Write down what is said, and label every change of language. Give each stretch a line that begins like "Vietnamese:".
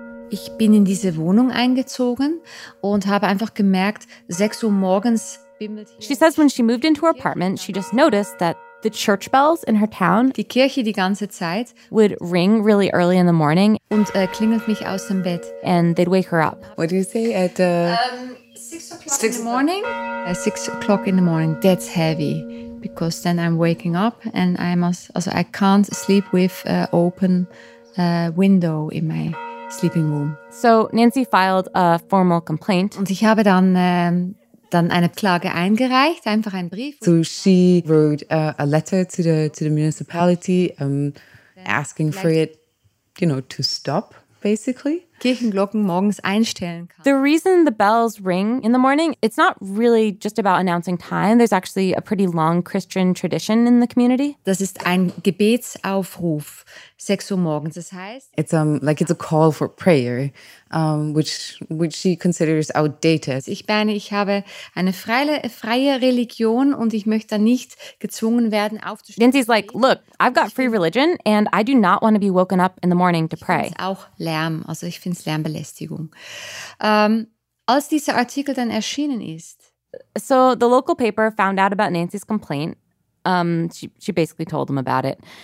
German: Ich bin in diese Wohnung eingezogen und habe einfach gemerkt, 6 Uhr morgens.
English: She says when she moved into her apartment, she just noticed that the church bells in her town,
German: die Kirche die ganze Zeit,
English: would ring really early in the morning
German: und klingelt mich aus dem Bett,
English: and they'd wake her up. What do you say at 6 o'clock in the morning? At 6 o'clock in the morning, that's heavy, because then I'm waking up and I can't sleep with an open window in my sleeping room. So Nancy filed a formal complaint.
German: Und ich habe dann dann eine Klage eingereicht, einfach ein Brief.
English: So she wrote a letter to the municipality asking for it, you know, to stop, basically.
German: Kirchenglocken morgens einstellen kann.
English: The reason the bells ring in the morning, it's not really just about announcing time. There's actually a pretty long Christian tradition in the community.
German: Das ist ein Gebetsaufruf, 6 Uhr morgens. Das heißt,
English: it's a call for prayer, which she considers outdated.
German: Ich meine, ich habe eine freie Religion und ich möchte nicht gezwungen werden aufzustehen.
English: Nancy's like, look, I've got free religion and I do not want to be woken up in the morning to pray.
German: Auch Lärm, also ich finde es Lärmbelästigung. Als dieser Artikel dann erschienen ist.
English: So the local paper found out about Nancy's complaint. She basically told them about it.